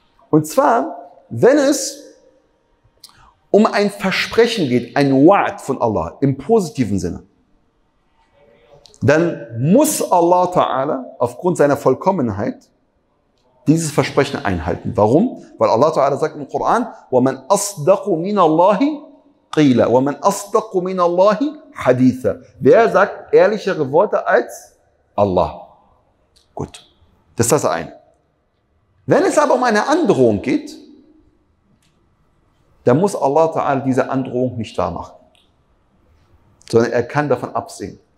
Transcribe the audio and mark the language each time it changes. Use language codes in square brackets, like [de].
[de] Und zwar, wenn es um ein Versprechen geht, ein Wa'd von Allah im positiven Sinne, dann muss Allah Ta'ala aufgrund seiner Vollkommenheit dieses Versprechen einhalten. Warum? Weil Allah Ta'ala sagt im Koran, [ar] وَمَنْ أَصْدَقُ مِنَ اللَّهِ قِيلَ وَمَنْ أَصْدَقُ مِنَ اللَّهِ حَدِيثَ. [de] Wer sagt ehrlichere Worte als Allah? Gut, das ist das eine. Wenn es aber um eine Androhung geht, dann muss Allah Ta'ala diese Androhung nicht wahr machen, sondern er kann davon absehen.